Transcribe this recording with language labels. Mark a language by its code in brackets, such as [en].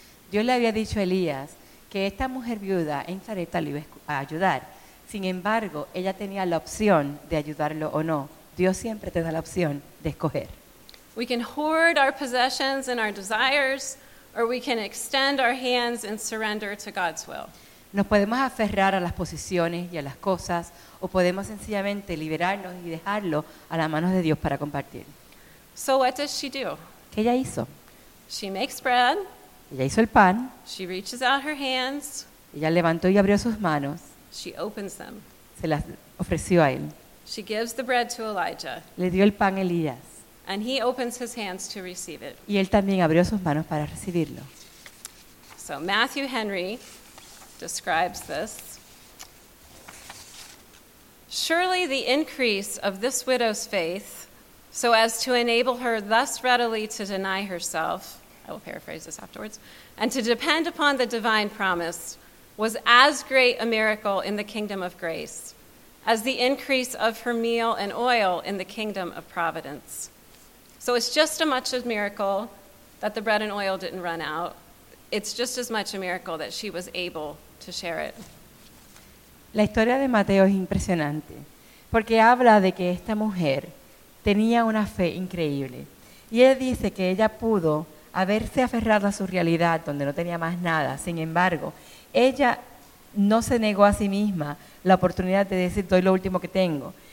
[es] Dios le había dicho a Elías que esta mujer viuda en Sarepta le iba a ayudar. Sin embargo, ella tenía la opción de ayudarlo o no. Dios siempre te da la opción de escoger. [en] We can hoard our possessions and our desires, or we can extend our hands and surrender to God's will. [es] Nos podemos aferrar a las posiciones y a las cosas, o podemos sencillamente liberarnos y dejarlo a las manos de Dios para compartir. [en] So what does she do? [es] ¿Qué ella hizo? [en] She makes bread. [es] Ella hizo el pan. [en] She reaches out her hands. [es] Ella levantó y abrió sus manos. [en] She opens them. [es] Se las ofreció a él. [en] She gives the bread to Elijah. [es] Le dio el pan a Elías. [en] And he opens his hands to receive it. [es] Y él también abrió sus manos para recibirlo. [en] So Matthew Henry describes this. Surely the increase of this widow's faith, so as to enable her thus readily to deny herself, I will paraphrase this afterwards, and to depend upon the divine promise, was as great a miracle in the kingdom of grace as the increase of her meal and oil in the kingdom of providence. So it's just as much a miracle that the bread and oil didn't run out. It's just as much a miracle that she was able to share it. [es] La historia de Mateo es impresionante, porque habla de que esta mujer tenía una fe increíble. Y él dice que ella pudo haberse aferrado a su realidad donde no tenía más nada. Sin embargo, ella no se negó a sí misma la oportunidad de decir, doy lo último que tengo.